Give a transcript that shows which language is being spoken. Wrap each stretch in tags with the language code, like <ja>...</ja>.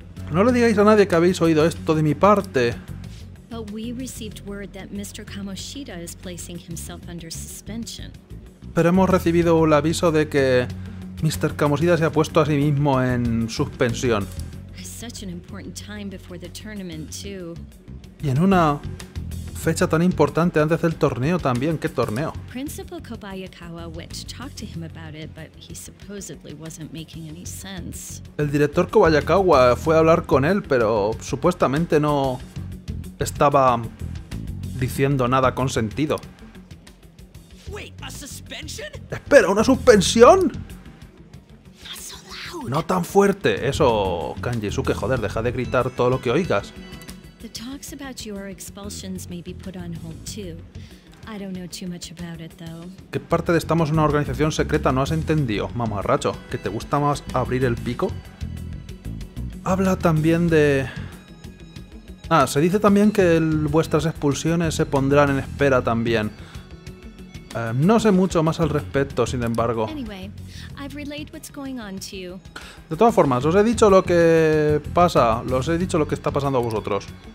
<es>No le digáis a nadie que habéis oído esto de mi parte.</es> <en>But we received word that Mr. Kamoshida is placing himself under suspension.</en> <es>Pero hemos recibido el aviso de que Mr. Kamoshida se ha puesto a sí mismo en suspensión.</es> <en>I such an important time before the tournament too.</en> <es>Y en una fecha tan importante antes del torneo también, ¿qué torneo?</es> <en>Principal Kobayakawa went to talk to him about it, but he supposedly wasn't making any sense.</en> <es>El director Kobayakawa fue a hablar con él, pero supuestamente no estaba diciendo nada con sentido.</es> <en>Wait, a suspension?</en> <es>¡Espera, una suspensión!</es> <en>Not so loud.</en> <es>¡No tan fuerte! Eso, Kanjisuke, joder, deja de gritar todo lo que oigas.</es> <en>The talks about your expulsions may be put on hold too. I don't know too much about it though.</en> <es>¿Qué parte de estamos en una organización secreta no has entendido, mamarracho? ¿Que te gusta más abrir el pico? Habla también de... Ah, se dice también que vuestras expulsiones se pondrán en espera también. No sé mucho más al respecto, sin embargo.</es> <en>Anyway, I've relayed what's going on to you.</en> <es>De todas formas, os he dicho lo que pasa, os he dicho lo que está pasando a vosotros.</es>